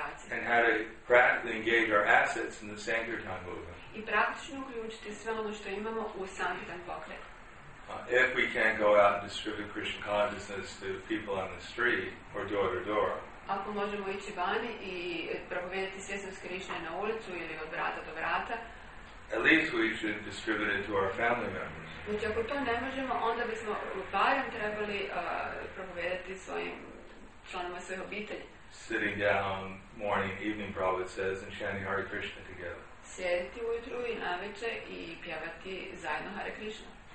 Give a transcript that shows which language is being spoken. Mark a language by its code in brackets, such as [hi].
[en] and how to practically engage our assets in the Sankirtan movement. [hr] I praktično uključiti sve ono što imamo u Sankirtan pokret. [en] If we can't go out and distribute Krishna consciousness to people on the street or door to door. [hr] Ako možemo ići vani i propovijedati svjesnost Krishne na ulicu ili od vrata do vrata. [en] At least we should distribute it to our family members. [hr] Znači, ako to ne možemo, onda bismo barem trebali propovijedati svojim članima svojih obitelji. [en] Sitting down morning, evening, Prabhupada says, and chanting Hare Krishna together. [hr] Sjediti ujutru i navečer i pjevati zajedno Hare Krishna.